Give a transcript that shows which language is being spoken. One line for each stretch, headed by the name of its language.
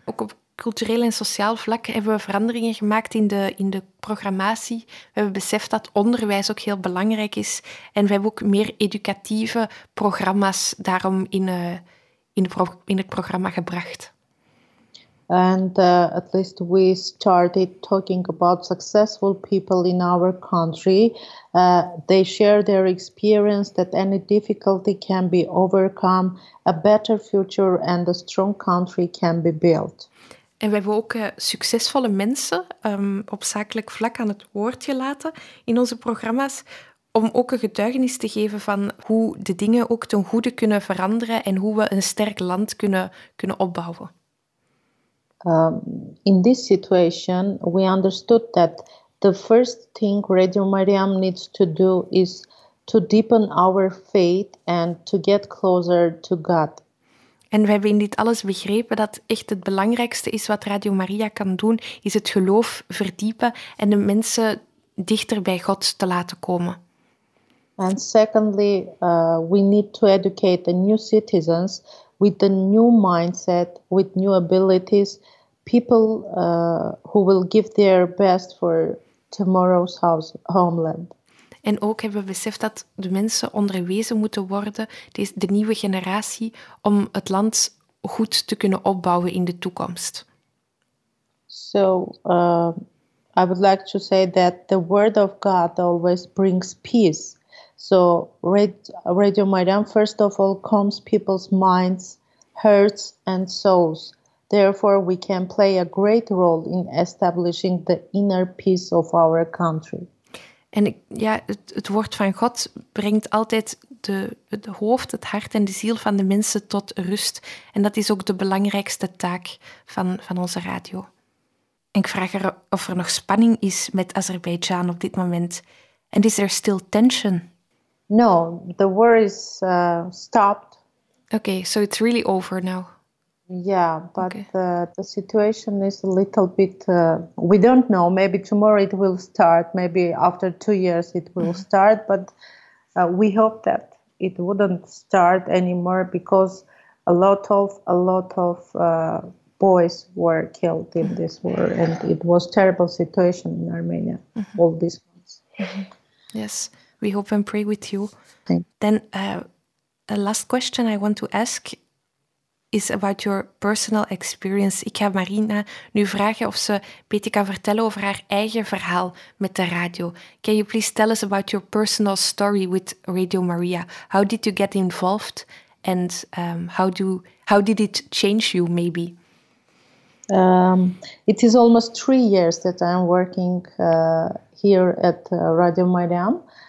Dutch: Ook op cultureel en sociaal vlak hebben we veranderingen gemaakt in de programmatie. We hebben beseft dat onderwijs ook heel belangrijk is. En we hebben ook meer educatieve programma's daarom in het programma gebracht.
English: And at least we started talking about successful people in our country. They share their experience that any difficulty can be overcome, a better future and a strong country can be built.
Dutch: En we hebben ook succesvolle mensen op zakelijk vlak aan het woord gelaten in onze programma's om ook een getuigenis te geven van hoe de dingen ook ten goede kunnen veranderen en hoe we een sterk land kunnen opbouwen.
English: In this situation, we understood that the first thing Radio Mariam needs to do is to deepen our faith and to get closer to God.
Dutch: En we hebben in dit alles begrepen dat echt het belangrijkste is wat Radio Maria kan doen, is het geloof verdiepen en de mensen dichter bij God te laten komen.
English: And secondly, we need to educate the new citizens with a new mindset, with new abilities, people who will give their best for tomorrow's homeland.
Dutch: En ook hebben we beseft dat de mensen onderwezen moeten worden, de nieuwe generatie, om het land goed te kunnen opbouwen in de toekomst.
English: So, I would like to say that the word of God always brings peace. So Radio Mariam first of all calms people's minds, hearts and souls. Therefore we can play a great role in establishing the inner peace of our country.
Dutch: En ja, het woord van God brengt altijd het hoofd, het hart en de ziel van de mensen tot rust. En dat is ook de belangrijkste taak van onze radio. En ik vraag er of er nog spanning is met Azerbeidzjan op dit moment.
English: And is there still tension? No, the war is stopped. Okay, so it's really over now. Yeah, but okay. The situation is a little bit... we don't know, maybe tomorrow it will start, maybe after 2 years it will start, but we hope that it wouldn't start anymore because a lot of boys were killed in this war and it was a terrible situation in Armenia all these months. Yes. We hope and pray with you. Thanks. Then a last question I want to ask is about your personal experience.
Dutch: Ik ga Marina nu vragen of ze beter kan vertellen over haar eigen verhaal met de radio.
English: Can you please tell us about your personal story with Radio Maria? How did you get involved and how did it change you maybe? It is almost 3 years that I'm working here at Radio Mariam.